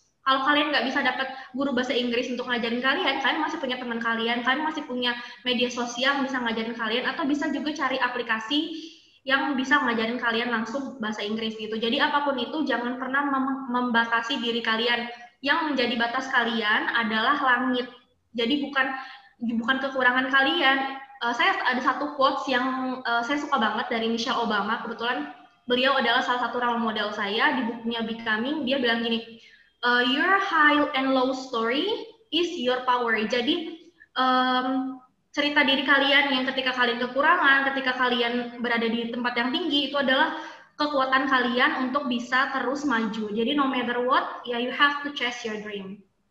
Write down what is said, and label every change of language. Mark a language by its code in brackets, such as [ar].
[id] Kalau kalian nggak bisa dapat guru bahasa Inggris untuk ngajarin kalian, kalian masih punya teman kalian, kalian masih punya media sosial yang bisa ngajarin kalian, atau bisa juga cari aplikasi yang bisa ngajarin kalian langsung bahasa Inggris gitu. Jadi apapun itu, jangan pernah membatasi diri kalian. Yang menjadi batas kalian adalah langit. Jadi bukan kekurangan kalian. Saya ada satu quotes yang saya suka banget dari Michelle Obama. Kebetulan beliau adalah salah satu role model saya di bukunya Becoming. Dia bilang gini, [en] your high and low story is your power. [id] Jadi cerita diri kalian yang ketika kalian kekurangan, ketika kalian berada di tempat yang tinggi, itu adalah kekuatan kalian untuk bisa terus maju. [en] Jadi no matter what, yeah, you have to chase your dream.